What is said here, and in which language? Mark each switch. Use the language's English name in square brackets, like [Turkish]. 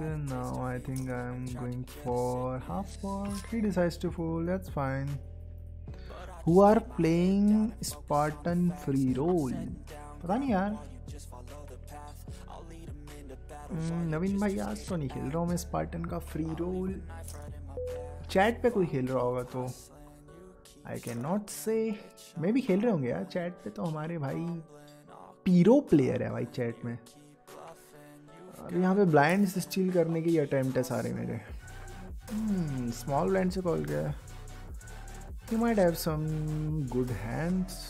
[English] Now I think I'm going for half pot. He decides to fold. That's fine. Who are playing Spartan free roll? [Hindi] पता नहीं यार. नवीन भाई आज तो नहीं खेल रहा हूँ मैं Spartan का free roll. Chat पे कोई खेल रहा होगा तो. [English] I cannot say. [Hindi] मैं भी खेल रहे होंगे यार चैट पे, तो हमारे भाई पीरो प्लेयर है भाई चैट में। अब यहाँ पे ब्लाइंड स्टील करने की अटेम्प्ट है सारे मेरे। स्मॉल ब्लाइंड से कॉल किया। [English] He might have some good hands.